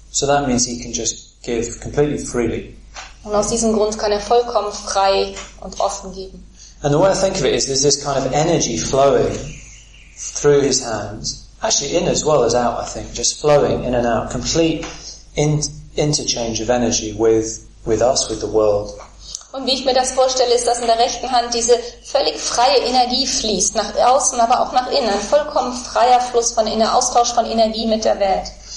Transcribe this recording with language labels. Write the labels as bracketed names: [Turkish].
[English] So that means he can just give completely freely. [German] Und aus diesem Grund kann vollkommen frei und offen geben. [English] And the way I think of it is there's this kind of energy flowing through his hands, actually in as well as out, I think, just flowing in and out, complete interchange of energy with us, with the world. [German] Und wie ich mir das vorstelle, ist, dass in der rechten Hand diese völlig freie Energie fließt, nach außen, aber auch nach innen, ein vollkommen freier Fluss von innen, Austausch von Energie mit der Welt.